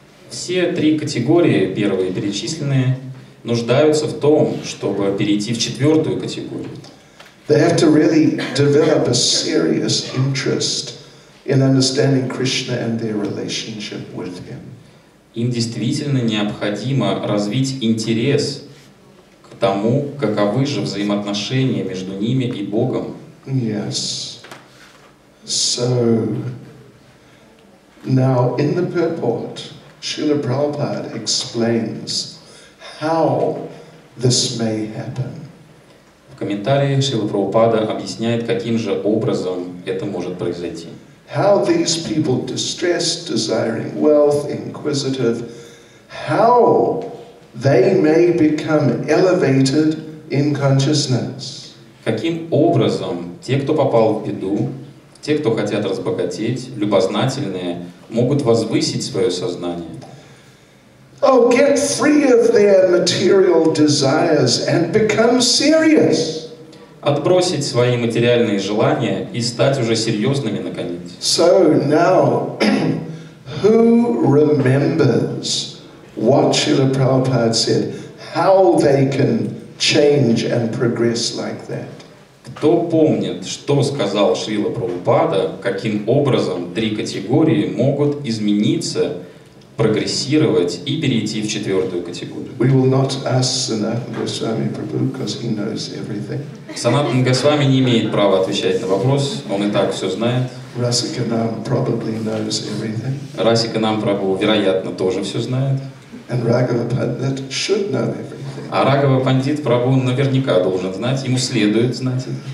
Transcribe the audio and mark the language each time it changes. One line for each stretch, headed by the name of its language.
Russian: Все три категории, первые перечисленные, нуждаются в том, чтобы перейти в четвертую категорию.
English: They have to really develop a serious interest in understanding Krishna and their relationship with Him.
Russian: Им действительно необходимо развить интерес к тому, каковы же взаимоотношения между ними и Богом.
English: Yes. So, now in the purport, Srila Prabhupada explains how this may happen.
Russian: В комментарии Шрила Прабхупада объясняет, каким же образом это может произойти.
English: How these people distressed, desiring wealth, inquisitive, how they may become elevated in consciousness.
Russian: Каким образом те, кто попал в беду, те, кто хотят разбогатеть, любознательные, могут возвысить свое сознание?
English: Oh, get free of their material desires and become serious.
Russian: Отбросить свои материальные желания и стать уже серьезными наконец.
English: So now, who remembers what Srila Prabhupada said? How they can change and progress like that?
Russian: Кто помнит, что сказал Шрила Прабхупада, каким образом три категории могут измениться, прогрессировать и перейти в четвертую категорию?
English: We will not ask Sanatana Goswami Prabhu, because he knows everything.
Russian: Санатана Госвами не имеет права отвечать на вопрос, он и так все знает.
English: Расиканам probably knows everything.
Russian: Расиканам Прабху, вероятно, тоже все знает.
English: And Raghava Pandit should know everything.
Russian: А Раghava Пандит Прабху наверняка должен знать, ему следует знать.